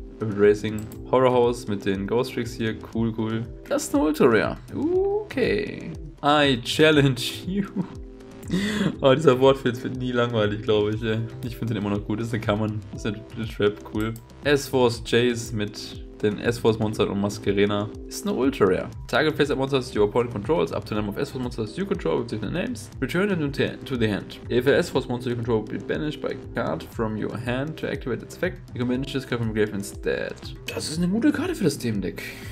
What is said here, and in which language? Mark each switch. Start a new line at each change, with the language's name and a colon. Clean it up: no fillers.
German: Rapid Racing. Horror House mit den Ghost Tricks hier. Cool, cool. Das ist eine Ultra Rare.
English: Okay. I challenge you.
German: Oh, dieser Wortwitz wird nie langweilig, glaube ich. Ich finde den immer noch gut. Das ist eine Common. Das ist eine Trap, cool. S-Force Chase mit den S-Force Monstern und Masquerena. Ist eine Ultra Rare.
English: Target Face Monsters your opponent controls. Up to the number of S-Force Monsters you control with different names. Return them to the hand. If an S-Force Monster you control will be banished by card from your hand to activate its effect, you can banish this card from your grave instead.
German: Das ist eine gute Karte für das Themendeck.